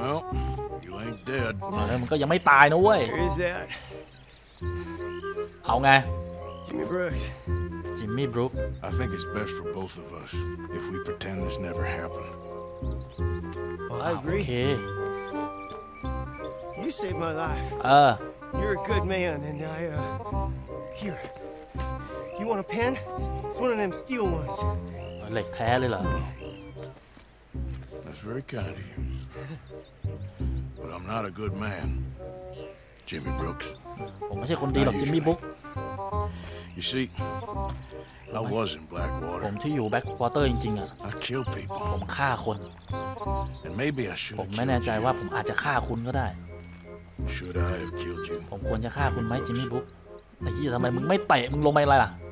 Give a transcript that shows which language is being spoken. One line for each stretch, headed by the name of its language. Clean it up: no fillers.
Thai: ล้วมันก็ยังไม่ตายนะเว้ยเอาไงJimmy Brooks.
English: I think it's best for both of us if we pretend this never happened. Well, I agree. Okay. You saved my life. You're a good man, and I, here. You want a pen? It's one of them steel ones. Like that, lila. That's very kind of you. But I'm not a good man, Jimmy Brooks.
Thai: ผมไม่ใช่คนดีหรอก Jimmy Brooks.
English: You see, I was in Blackwater.
Thai: ผมที่อยู่ Blackwater จริงๆอ่ะ
English: I kill people.
Thai: ผมฆ่าคน
English: And maybe I should.
Thai: ผมไม่แน่ใจว่าผมอาจจะฆ่าคุณก็ได้
English: Should I have killed you?
Thai: ผมควรจะฆ่าคุณไหมจิมมี่บุ๊กไอ้ที่ทำไมมึงไม่เตะมึงลงไปอะไรล่ะ